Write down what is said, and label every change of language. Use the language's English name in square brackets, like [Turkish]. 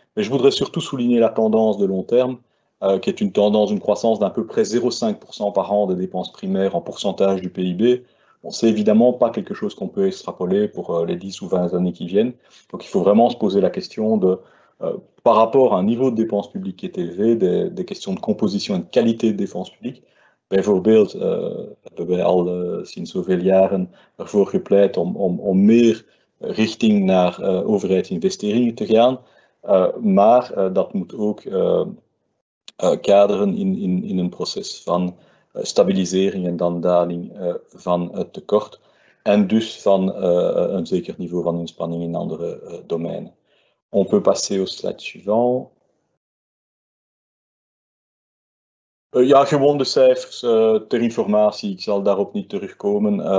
[French] Mais je voudrais surtout souligner la tendance de long terme, qui est une tendance, une croissance d'à peu près 0,5% par an des dépenses primaires en pourcentage du PIB. Bon, c'est évidemment pas quelque chose qu'on peut extrapoler pour les 10 ou 20 années qui viennent. Donc il faut vraiment se poser la question de, par rapport à un niveau de dépenses publiques qui est élevé, des questions de composition et de qualité de défense publique. [Dutch] Bijvoorbeeld, hebben wij al sinds zoveel jaren ervoor gepleit om meer richting naar overheidsinvesteringen te gaan. Maar dat moet ook kaderen in een proces van stabilisering en dan daling van het tekort. En dus van een zeker niveau van inspanning in andere domeinen. [French] On peut passer au slide suivant. [Dutch] Ja, gewoon de cijfers ter informatie. Ik zal daarop niet terugkomen.